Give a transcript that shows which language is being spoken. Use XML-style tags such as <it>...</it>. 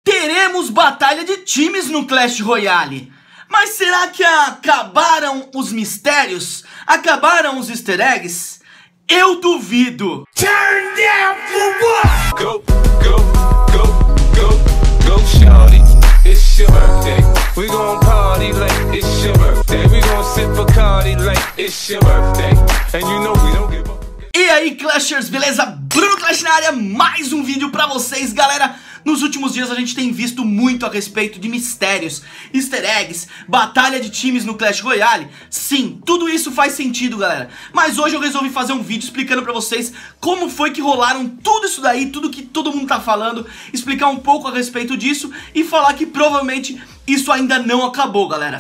<pt>temos batalha de times no Clash Royale. Mas será que acabaram os mistérios? Acabaram os easter eggs? Eu duvido!</pt> <en>Turn down for what? Go, go, go, go, go, shawty. It's your birthday. We gon' party like it's your birthday. We gon' sip a Cardi like it's your birthday. And you know we don't give up.</en> <pt>E aí, Clashers, beleza? Bruno Clash na área, mais um vídeo pra vocês, galera. Nos últimos dias a gente tem visto muito a respeito de mistérios, easter eggs, batalha de times no Clash Royale. Sim, tudo isso faz sentido, galera. Mas hoje eu resolvi fazer um vídeo explicando pra vocês como foi que rolaram tudo isso daí, tudo que todo mundo tá falando, explicar um pouco a respeito disso e falar que provavelmente isso ainda não acabou, galera.</pt>